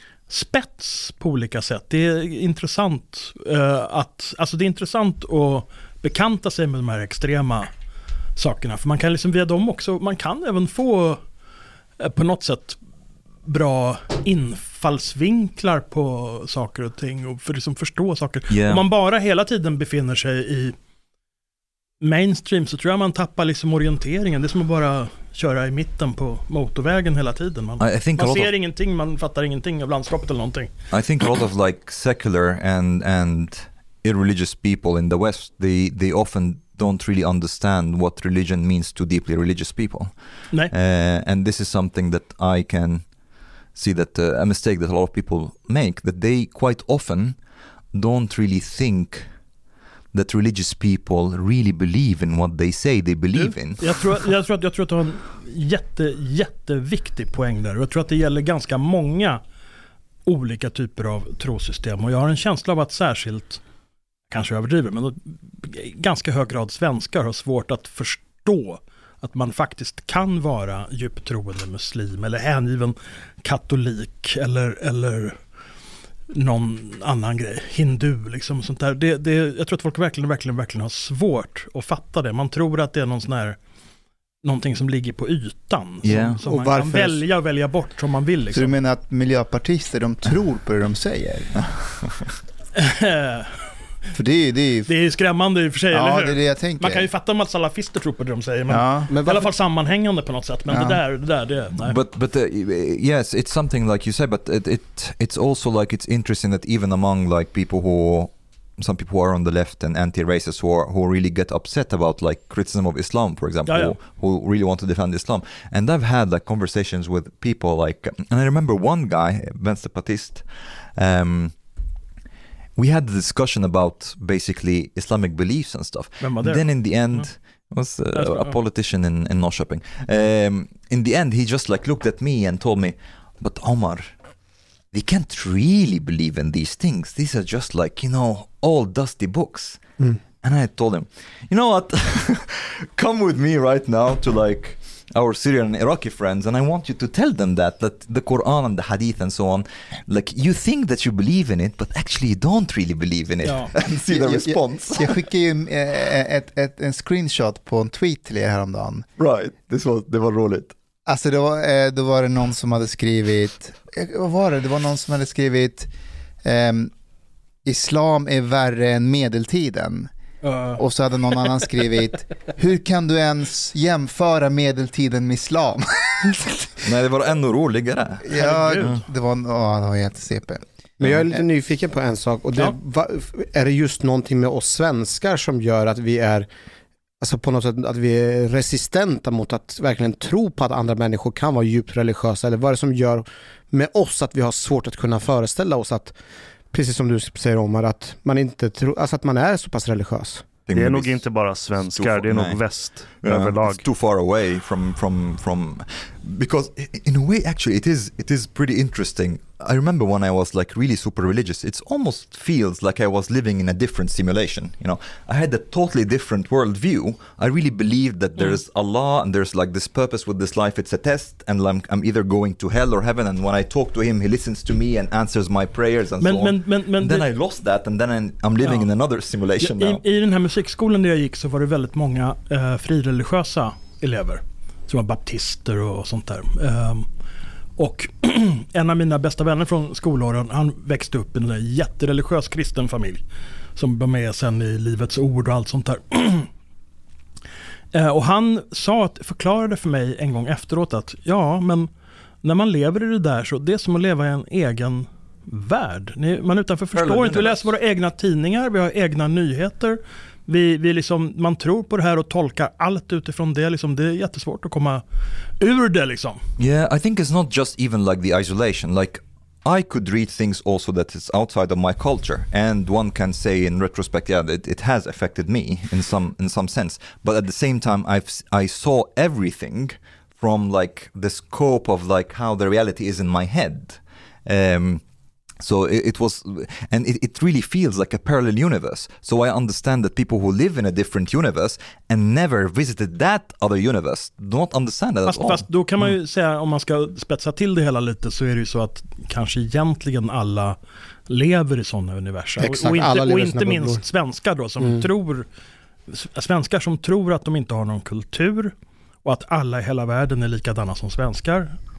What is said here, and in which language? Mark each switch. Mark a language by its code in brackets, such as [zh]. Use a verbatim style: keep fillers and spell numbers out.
[sv] spets på olika sätt. Det är intressant eh, att alltså det är intressant att bekanta sig med de här extrema sakerna, för man kan liksom via dem också, man kan även få eh, på något sätt bra infallsvinklar på saker och ting och för liksom förstå saker. Yeah. Om man bara hela tiden befinner sig i mainstream så tror jag man tappar liksom orienteringen. Det är som att bara köra i mitten på motorvägen hela tiden. Man, man ser of, ingenting, man fattar ingenting av landskapet eller någonting. [en] I think a lot of like secular and and irreligious people in the West, they they often don't really understand what religion means to deeply religious people. [sv] Nej. [en] Uh, and this is something that I can see that uh, a mistake that a lot of people make, that they quite often don't really think that religious people really believe in what they say they believe in. [sv] Jag tror, jag tror, att, jag tror att du har en jätte, jätteviktig poäng där. Jag tror att det gäller ganska många olika typer av trosystem. Och jag har en känsla av att särskilt, kanske överdriver, men ganska hög grad svenskar har svårt att förstå att man faktiskt kan vara djupt troende muslim eller hängiven katolik eller... eller någon annan grej, hindu liksom, sånt där. Det, det, jag tror att folk verkligen, verkligen, verkligen har svårt att fatta det. Man tror att det är någon sån här, någonting som ligger på ytan som, [en] yeah. [sv] som man varför? Kan välja och välja bort som man vill. Liksom. Så du menar att miljöpartister, de tror på det de säger? För det är, det är ju det är skrämmande i och för sig, ja, eller hur? Det är det jag tänker. Man kan ju fatta om att salafister tror på det de säger, men, ja, men i alla fall sammanhängande på något sätt, men ja. det där det där det nej. [en] But but uh, yes, it's something like you say, but it, it it's also like it's interesting that even among like people who some people who are on the left and anti-racists who are, who really get upset about like criticism of Islam, for example, [sv] ja, ja. [en] Who, who really want to defend Islam. And I've had like conversations with people like, and I remember one guy, Vänsterpartist, um we had the discussion about basically Islamic beliefs and stuff. Then in the end, mm. was uh, a politician in, in Norrköping. Um, in the end, he just like looked at me and told me, but Omar, they can't really believe in these things. These are just like, you know, old dusty books. Mm. And I told him, you know what? Come with me right now to like our Syrian and Iraqi friends, and I want you to tell them that that the Quran and the Hadith and so on, like you think that you believe in it, but actually you don't really believe in it. [sv] Ja. [en] And see the [sv] jag, [en] response. [sv] Jag, jag skickade ju eh, ett, ett, en screenshot på en tweet till er häromdagen. [en] Right, this was, [sv] det var roligt. Alltså då, eh, då var det någon som hade skrivit, vad var det? Det var någon som hade skrivit eh, Islam är värre än medeltiden. Uh. Och så hade någon annan skrivit, hur kan du ens jämföra medeltiden med islam? Nej, det var ännu roligare. Ja, det var, oh, det var jätte-C P. Men jag är lite nyfiken på en sak. Och det, ja. va, är det just någonting med oss svenskar som gör att vi är, alltså på något sätt, att vi är resistenta mot att verkligen tro på att andra människor kan vara djupt religiösa? Eller vad är det som gör med oss att vi har svårt att kunna föreställa oss att, precis som du säger, Omar, att man inte tror, alltså att man är så pass religiös. Det är nog inte bara svenskar, det är nog väst överlag. [en] It's too far away from from from because in a way actually it is it is pretty interesting. I remember when I was like really super religious, it almost feels like I was living in a different simulation, you know. I had a totally different world view. I really believed that there's mm. Allah and there's like this purpose with this life, it's a test, and I'm, I'm either going to hell or heaven, and when I talk to him he listens to me and answers my prayers and [sv] men, [en] so on. [sv] Men, men, men, [en] then [sv] det, [en] I lost that and then I'm living ja. in another simulation I, now. [sv] I, I den här musikskolan där jag gick så var det väldigt många eh, frireligiösa elever som var baptister och sånt där. Um, Och en av mina bästa vänner från skolåren, han växte upp i en där jättereligiös kristen familj som var med sen i Livets ord och allt sånt där. Och han sa att, förklarade för mig en gång efteråt att ja, men när man lever i det där så det är som att leva i en egen värld. Man utanför förstår inte, vi läser våra egna tidningar, vi har egna nyheter. Vi, vi liksom, man tror på det här och tolkar allt utifrån det. Liksom, det är jättesvårt att komma ur det. Liksom. [en] Yeah, I think it's not just even like the isolation. Like I could read things also that is outside of my culture, and one can say in retrospect, yeah, it, it has affected me in some in some sense. But at the same time, I've I saw everything from like the scope of like how the reality is in my head. Um, So it, it was, and it, it really feels like a parallel universe. So I understand that people who live in a different universe and never visited that other universe don't understand that [sv] fast, [en] at all. [sv] Fast då kan man ju säga, om man ska spetsa till det hela lite, så är det ju så att kanske egentligen alla lever i sådana universum. Exakt, och, och alla inte, lever och inte minst svenskar då, som mm. tror, svenskar som tror att de inte har någon kultur och att alla i hela världen är likadana som svenskar.